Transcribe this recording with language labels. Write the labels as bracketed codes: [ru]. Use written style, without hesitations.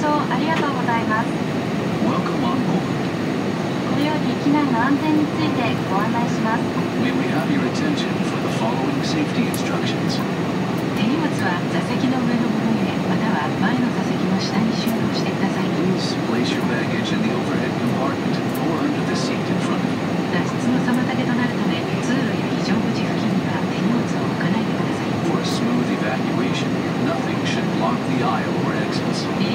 [ja] ありがとうございます。 [en] Welcome on board. [ja] このように機内の安全についてご案内します。 [en] May we have your attention for the following safety instructions. [ja] 手荷物は座席の上の物入れ、または前の座席の下に収納してください。 [en] Please place your baggage in the overhead compartment or under the seat in front of you. [ja] 脱出の妨げとなるため、通路や非常口付近には手荷物を置かないでください。 [en] For a smooth evacuation, nothing should block the aisle or exits.